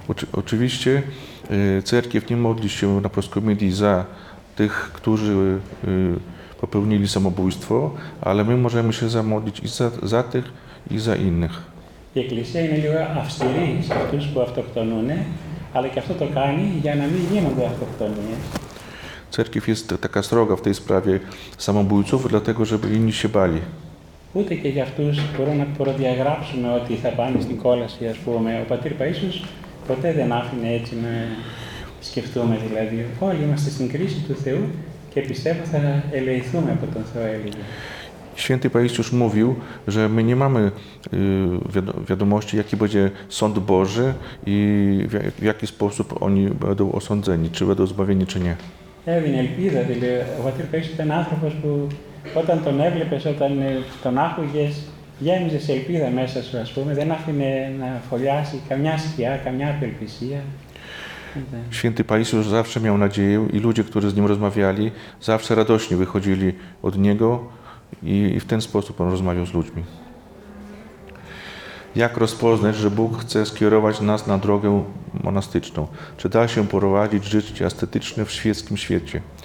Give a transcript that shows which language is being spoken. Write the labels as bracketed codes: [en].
[pl] Οτσιβίστε, Τσέρκευ νη μόδλησε να προσκομιδή ζά tych, którzy popełnili samobójstwo, ale my możemy się zamodlić i za tych, i za innych. [el] Εκκλησία είναι λίγο αυστηρή σε αυτούς που αυτοκτονούν, αλλά και αυτό το κάνει για να μην γίνονται αυτοκτονίες. [pl] Cerkiew jest taka stroga w tej sprawie samobójców, dlatego żeby inni się bali. [el] Ούτε και για αυτούς μπορούμε να προδιαγράψουμε ότι θα πάνε στην κόλαση, ας πούμε. Ο πατήρ Παΐσιος ποτέ δεν άφηνε έτσι να... Σκεφτούμε δηλαδή, όλοι είμαστε στην κρίση του Θεού και πιστεύω θα ελεηθούμε από τον Θεό, έλεγε. [pl] Święty Paisius mówił, że my nie mamy wiadomości, jaki będzie sąd Boży i w jaki sposób oni będą osądzeni, czy będą zbawieni, czy nie. [el] Έδινε ελπίδα, δηλαδή ο πατήρ Παΐσιος ήταν άνθρωπος που όταν τον έβλεπες, όταν τον άκουγες, γέμιζε σε ελπίδα μέσα σου, ας πούμε, δεν άφηνε να φωλιάσει καμιά σκιά, καμιά απελπισία. [pl] Święty Paisius zawsze miał nadzieję i ludzie, którzy z nim rozmawiali, zawsze radośnie wychodzili od niego i w ten sposób on rozmawiał z ludźmi. Jak rozpoznać, że Bóg chce skierować nas na drogę monastyczną? Czy da się prowadzić życie ascetyczne w świeckim świecie?